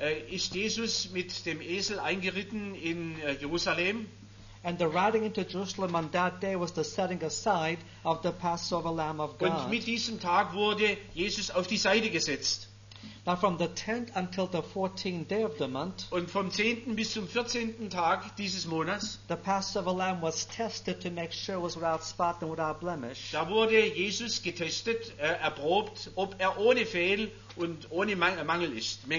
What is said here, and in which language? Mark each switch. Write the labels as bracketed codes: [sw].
[de] Ist Jesus mit dem Esel eingeritten in Jerusalem. [en] And the riding into Jerusalem on that day was the setting aside of the Passover Lamb of God. [de] Und mit diesem Tag wurde Jesus auf die Seite gesetzt. [en] Now from the 10th until the 14th day of the month. [de] Und vom 10. bis zum 14. Tag dieses Monats. [en] The Passover Lamb was tested to make sure it was without spot and without blemish. [de] Da wurde Jesus getestet, erprobt, ob er ohne Fehl und ohne Mängel ist.